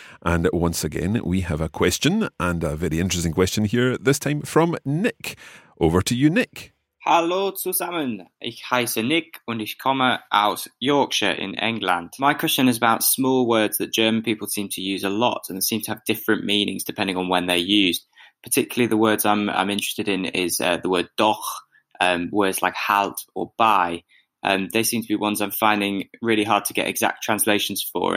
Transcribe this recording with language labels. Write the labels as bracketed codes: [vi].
[en] And once again, we have a question and a very interesting question here, this time from Nick. Over to you, Nick. [de] Hallo zusammen. Ich heiße Nick und ich komme aus Yorkshire in England. [en] My question is about small words that German people seem to use a lot and seem to have different meanings depending on when they're used. Particularly the words I'm interested in is the word doch, words like halt or bei. They seem to be ones I'm finding really hard to get exact translations for.